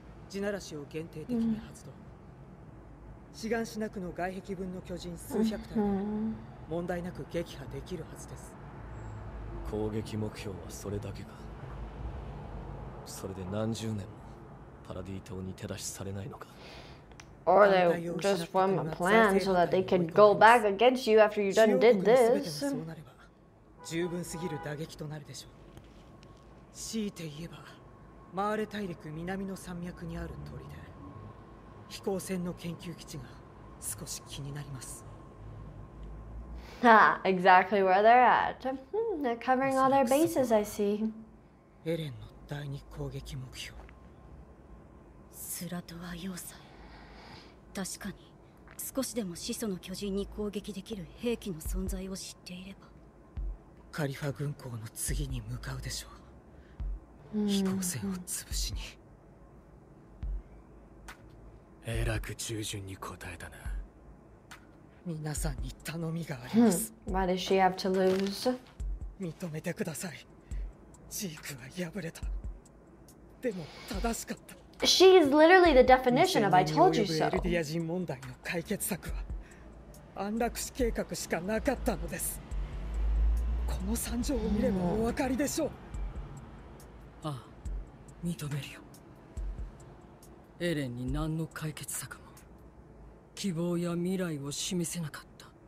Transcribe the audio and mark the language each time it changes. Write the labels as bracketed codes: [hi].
[ja] 地ならしを限定的に発動、シガンシナクの外壁分の巨人数百体で問題なく撃破できるはずです。攻撃目標はそれだけか。それで何十年もパラディ島に手出しされないのか。 [en] Or they just form a plan so that they can go back against you after you done did this. [ja] 十分すぎる打撃となるでしょう。強いて言えば、マーレ大陸南の山脈にある砦、飛行船の研究基地が少し気になります。 [en] Exactly where they're at. They're covering all their bases, I see. [ja] エレンの第二攻撃目標。スラトワ要塞。確かに少しでも始祖の巨人に攻撃できる兵器の存在を知っていればカリファ軍港の次に向かうでしょう。飛行船を潰しに。えらく従順に答えたな。皆さんに頼みがあります、 [en] Why does she have to lose? [ja] 認めてください。ジークは敗れた。でも正しかった。 [en] She is literally the definition of I told you so. [ja] エルディア人問題の解決策は安楽死計画しかなかったのです。この惨状を見ればお分かりでしょう。ああ、認めるよ。エレンに何の解決策も希望や未来を示せなかった。